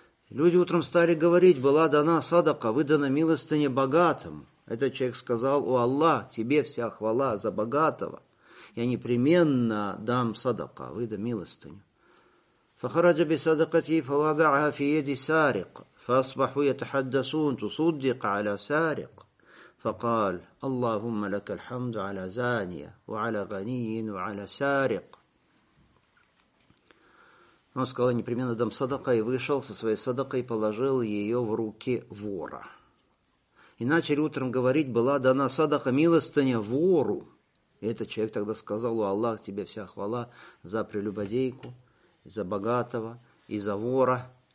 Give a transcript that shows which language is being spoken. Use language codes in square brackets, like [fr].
[ru] Люди утром стали говорить, была дана садака, выдана милостыня богатому. Этот человек сказал, у Аллах, тебе вся хвала за богатого. Я непременно дам садака, выдам милостыню. [ar] Фахараджа би садакати фавадааха фи яди сарик. Фасбаху ятахаддасун тусуддика аля сарик. فقال اللهم لك الحمد على زانية وعلى غني وعلى سارق. [ru] Он сказал, непременно дам садака, и вышел со своей садакой и положил ее в руки вора. И начали утром говорить, была дана садака, милостыня вору. И этот человек тогда сказал, у Аллах тебе вся хвала за прелюбодейку, за богатого и за вора.